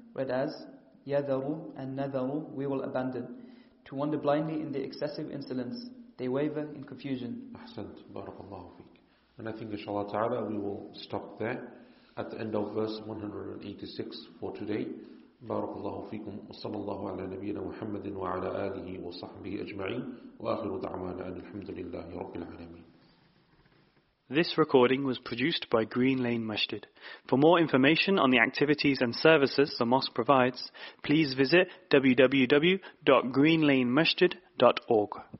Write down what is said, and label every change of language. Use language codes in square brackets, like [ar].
[en] Read as يَذَرُ and نَذَرُ, we will abandon. To wander blindly in their excessive insolence. They waver in confusion. [ar] أحسنت بارك الله فيك. [en] And I think inshallah ta'ala we will stop there at the end of verse 186 for today. [ar] بارك الله فيكم وصلى الله على نبينا محمد وعلى آله وصحبه أجمعين وآخر دعوانا أن الحمد لله رب العالمين. [en] This recording was produced by Green Lane Masjid. For more information on the activities and services the mosque provides, please visit www.greenlanemasjid.org.